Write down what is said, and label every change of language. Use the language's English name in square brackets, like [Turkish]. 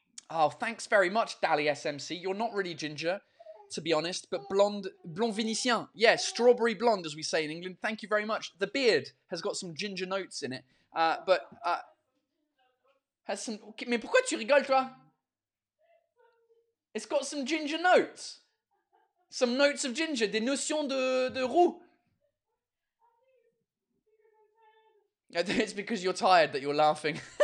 [English] Oh, thanks very much, Dali SMC. You're not really ginger, to be honest, but blonde, blond vénitien. Yeah, strawberry blonde, as we say in England. Thank you very much. The beard has got some ginger notes in it, but... [French] Mais pourquoi tu rigoles, toi? [English] It's got some ginger notes. Some notes of ginger. [French] Des notions de roux. [English] It's because you're tired that you're laughing.